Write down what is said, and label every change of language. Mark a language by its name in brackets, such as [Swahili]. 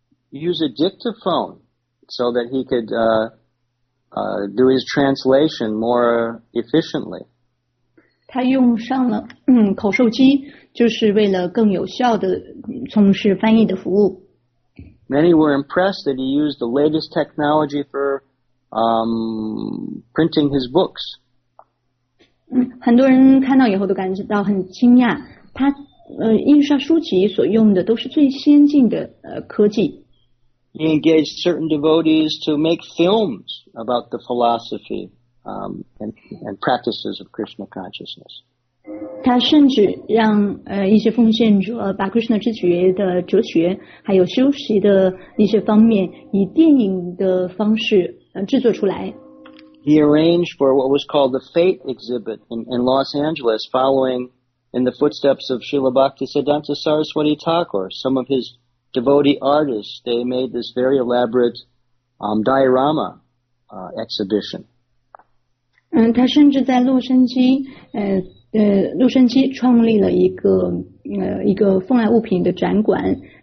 [English] Use a dictaphone so that he could. Do his translation more efficiently. [Chinese] 他用上了口授机，就是为了更有效的从事翻译的服务。 [English] Many were impressed that he used the latest technology for printing his books. [Chinese] 很多人看到以后都感觉到很惊讶，他印刷书籍所用的都是最先进的科技。 [English] He engaged certain devotees to make films about the philosophy and practices of Krishna consciousness. [Chinese] 他甚至让一些奉献者把 Krishna 之觉的哲学还有修习的一些方面以电影的方式制作出来。 [English] He arranged for what was called the Fate exhibit in Los Angeles, following in the footsteps of Srila Bhakti Siddhanta Saraswati Thakur, some of his. Devotee artists, they made this very elaborate diorama exhibition. [Chinese] 他甚至在洛杉矶创立了一个奉爱物品的展馆。